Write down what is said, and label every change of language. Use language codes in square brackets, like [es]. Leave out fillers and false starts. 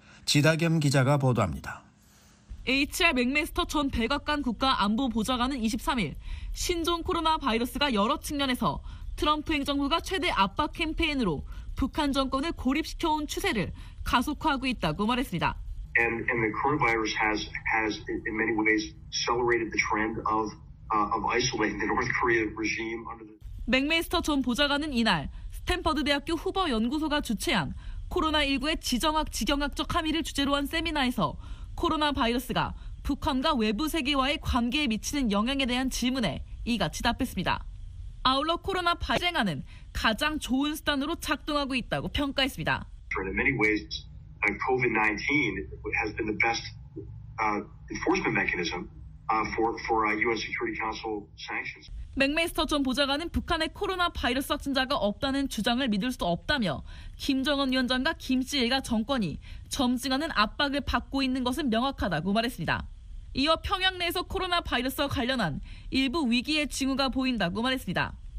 [ko] 지다겸 기자가 보도합니다. H.R. 맥메스터 전 백악관 국가안보보좌관은 23일 신종 코로나 바이러스가 여러 측면에서 트럼프 행정부가 최대 압박 캠페인으로 북한 정권을 고립시켜온 추세를 가속화하고 있다고 말했습니다. [en] And the coronavirus has in many ways accelerated the trend of isolating the North Korea regime under the [ko] 맥메이스터 전 보좌관은 이날 스탠퍼드 대학교 후버 연구소가 주최한 코로나19의 지정학 지경학적 함의를 주제로 한 세미나에서 코로나 바이러스가 북한과 외부 세계와의 관계에 미치는 영향에 대한 질문에 이같이 답했습니다. 아울러 코로나 발생하는 가장 좋은 수단으로 작동하고 있다고 평가했습니다. [en] In many ways, COVID-19 has been the best enforcement mechanism for UN Security Council sanctions. [ko] 맥메이스터 전 보좌관은 북한에 코로나 바이러스 확진자가 없다는 주장을 믿을 수 없다며 김정은 위원장과 김 씨 일가 정권이 점증하는 압박을 받고 있는 것은 명확하다고 말했습니다. 이어 평양 내에서 코로나 바이러스와 관련한 일부 위기의 징후가 보인다고 말했습니다.